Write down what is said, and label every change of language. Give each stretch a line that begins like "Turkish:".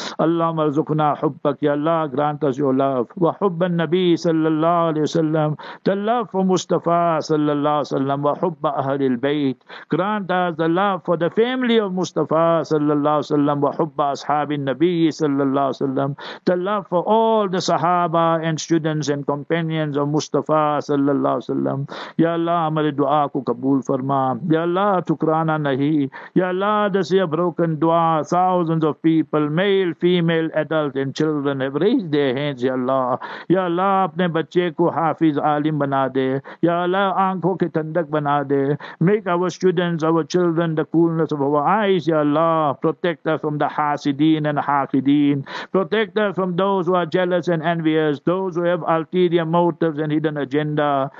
Arabic: اللهم ارزقنا حبك يا الله
English: grant us your love
Arabic: وحب النبي صلى الله عليه وسلم
English: the love for
Arabic: مصطفى صلى الله عليه وسلم وحب أهل البيت
English: grant us the love for the family of
Arabic: مصطفى صلى الله عليه وسلم وسلم وحب أصحاب النبي صلى الله عليه وسلم.
English: The love for all the Sahaba and students and companions of Mustafa
Arabic: صلى الله عليه وسلم.
Urdu: Ya Allah, ہماری دعا کو قبول فرما.
English: Ya Allah,
Urdu: ٹھکرانا نہیں.
English: Ya Allah, this is a broken dua. Thousands of people, male, female, adult and children have raised their hands.
Urdu: Ya Allah, Ya Allah, اپنے بچے کو حافظ عالم بنا دے. Ya Allah, آنکھوں کے تندک بنا دے.
English: Make our students, our children, the coolness of our eyes, Ya Allah. Protect us from the hasidin and haqidin. Protect us from those who are jealous and envious, those who have ulterior motives and hidden agenda.